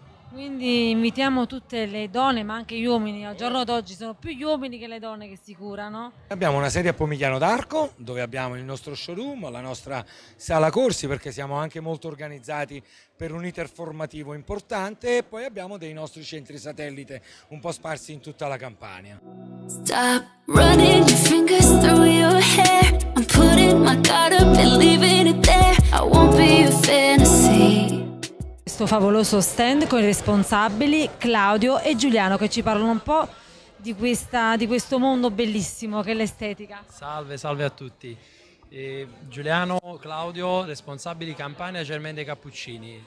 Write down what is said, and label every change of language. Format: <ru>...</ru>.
<it>Quindi invitiamo tutte le donne, ma anche gli uomini, al giorno d'oggi sono più gli uomini che le donne che si curano. Abbiamo una sede a Pomigliano d'Arco, dove abbiamo il nostro showroom, la nostra sala corsi, perché siamo anche molto organizzati per un iter formativo importante, e poi abbiamo dei nostri centri satellite un po' sparsi in tutta la Campania.</it> <en>Stop running your fingers through your hair. I'm putting my guard up and leaving it there. I won't be a fantasy.</en> <it>Questo favoloso stand con i responsabili Claudio e Giuliano, che ci parlano un po' di questo mondo bellissimo che è l'estetica. Salve, salve a tutti. Giuliano, Claudio, responsabili Campania Germain dei Cappuccini.</it>